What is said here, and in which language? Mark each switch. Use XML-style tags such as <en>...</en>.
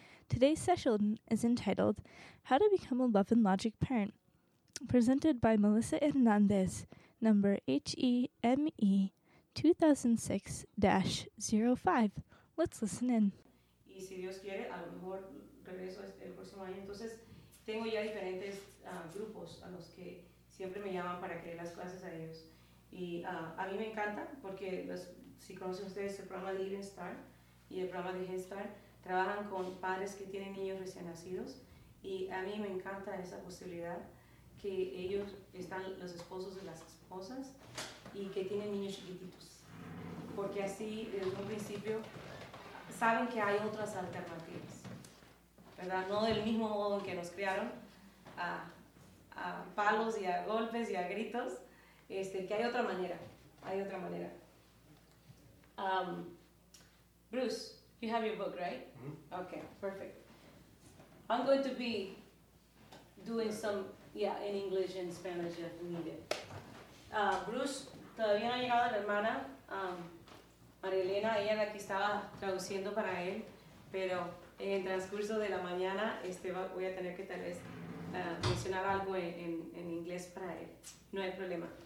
<en>Today's session is entitled, How to Become a Love and Logic Parent, presented by Melissa Hernandez, number HEME 2006-05. Let's listen in.</en> <es>Y si Dios quiere, a lo mejor regreso el próximo año. Entonces, tengo ya diferentes grupos a los que siempre me llaman para que dé las clases a ellos. Y a mí me encanta porque, si conocen ustedes el programa de Even Start y el programa de Head Start, trabajan con padres que tienen niños recién nacidos. Y a mí me encanta esa posibilidad que ellos están los esposos de las esposas y que tienen niños chiquititos. Porque así, desde un principio, saben que hay otras alternativas, ¿verdad? No del mismo modo que nos criaron, a palos y a golpes y a gritos. Que hay otra manera, hay otra manera.</es> <en>Bruce, you have your book, right? Mm-hmm. Okay, perfect. I'm going to be doing some, in English and Spanish if needed.</en> <es>Bruce, todavía no ha llegado la hermana, María Elena, ella la que estaba traduciendo para él, pero en el transcurso de la mañana voy a tener que tal vez mencionar algo en inglés para él. No hay problema.</es>